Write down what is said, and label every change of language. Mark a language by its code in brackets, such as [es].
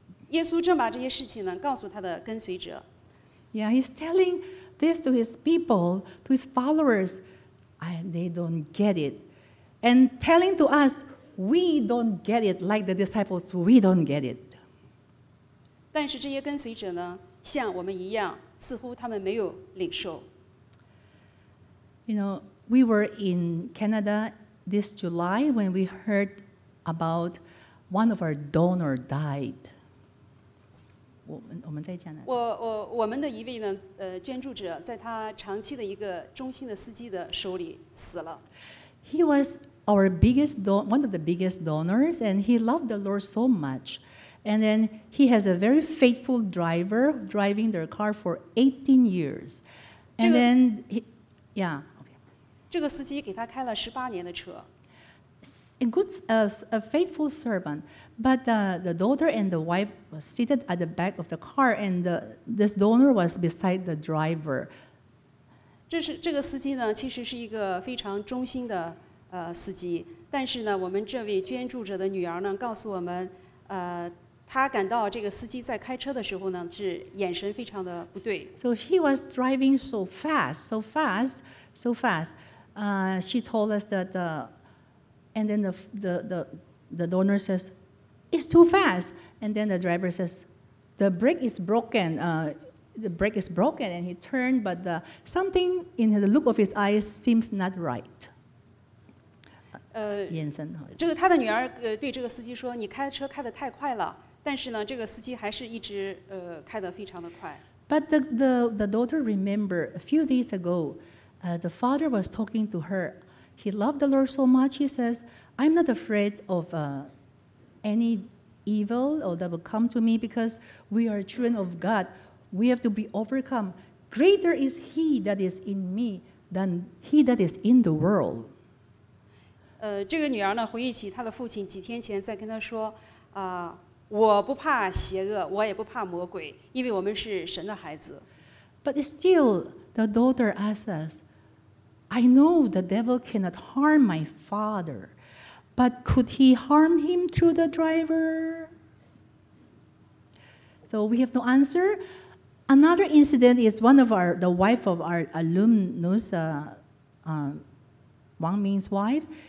[zh] 耶稣正把这些事情呢告诉他的跟随者。 [en] Yeah, he's telling this to his people, to his followers. They don't get it. And telling to us, we don't get it like the disciples, we don't get it. [zh] 但是这些跟随者呢，像我们一样，似乎他们没有领受。 [en] You know, We were in Canada this July when we heard about one of our donor died. [zh] 我们在加拿大。我们的一位呢，捐助者在他长期的一个忠心的司机的手里死了。 [en] He was our biggest one of the biggest donors, and he loved the Lord so much. And then he has a very faithful driver driving their car for 18 years. And then he, yeah. [zh] 这个司机给他开了十八年的车。 [en] A good, a faithful servant, but the daughter and the wife were seated at the back of the car, and this donor was beside the driver. [zh] 这个司机呢，其实是一个非常忠心的司机。但是呢，我们这位捐助者的女儿呢，告诉我们，她感到这个司机在开车的时候呢，是眼神非常的不对。 [en] So he was driving so fast, so fast, so fast. She told us that the And then the donor says, "It's too fast." And then the driver says, "The brake is broken. The brake is broken." And he turned, but the something in the look of his eyes seems not right. [zh] 眼神这个他的女儿对这个司机说：“你开车开得太快了。” 但是呢，这个司机还是一直开得非常的快。 [en] But the daughter remember a few days ago, the father was talking to her. He loved the Lord so much, he says, I'm not afraid of any evil or that will come to me because we are children of God. We have to be overcome. Greater is he that is in me than he that is in the world. [zh] 这个女儿呢，回忆起她的父亲几天前在跟她说，我不怕邪恶，我也不怕魔鬼，因为我们是神的孩子。 [en] But still, the daughter asks us,I know the devil cannot harm my father, but could he harm him through the driver? So we have no answer. Another incident is the wife of our alumnus, Wang Ming's wife.